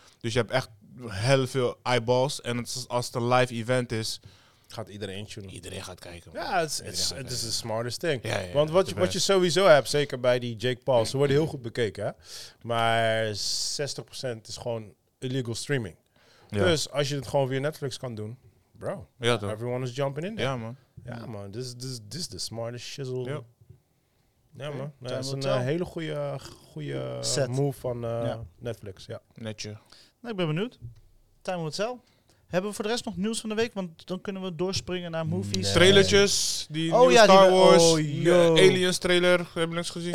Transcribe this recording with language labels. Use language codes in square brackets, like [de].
[nl] Dus je hebt echt heel veel eyeballs. En als het een live event is... Gaat iedereen tunen. Iedereen gaat kijken. Ja, het is [en] the smartest thing. [nl] Ja, ja, want wat je sowieso hebt, zeker bij die Jake Paul, ze worden heel goed bekeken. Hè? Maar 60% is gewoon illegal streaming. Ja. Dus als je het gewoon via Netflix kan doen, bro. Ja, [en] everyone is jumping in there. [nl] Ja, man. Ja, man. [en] This is the smartest shizzle. [nl] Ja, ja man. Dat is een hele goede move van Netflix. Ja. Netje. Nou, ik ben benieuwd. [en] Time will tell. [nl] Hebben we voor de rest nog nieuws van de week? Want dan kunnen we doorspringen naar movies. Nee. Trailertjes, Star Wars, Aliens trailer, hebben we niks gezien.